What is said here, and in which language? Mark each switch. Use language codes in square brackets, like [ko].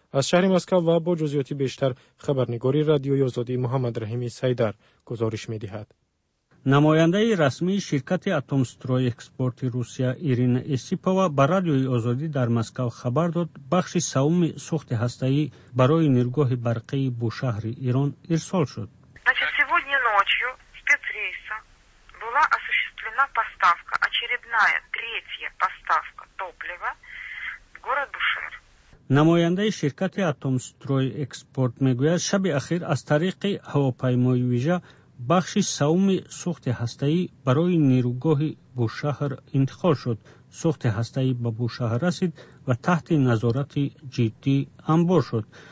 [fa] از شهر مسکو و با جزئیات بیشتر خبرنگاری رادیوی آزادی محمد رحیمی سیدر گزارش می دهد. نماینده رسمی شرکت اتم استروی اکسپورت روسیه ایرین اسیپاوا بر رادیوی آزادی در مسکو خبر داد بخش سوم سوخت هسته‌ای برای نیروگاه برقی بوشهر ایران ارسال شد. امروز [ru] ночью спецрейса була одна поставка, очередная, третья поставка топлива в город Бушер. [fa] نماینده شرکت اتم استروی اکسپورت میگوید شب اخیر از طریق هواپیمای ویژه بخش سوم سوخت هسته‌ای برای نیروگاه بوشهر انتقال شد. سوخت هسته‌ای به بوشهر رسید و تحت نظارت جدی انبار شد.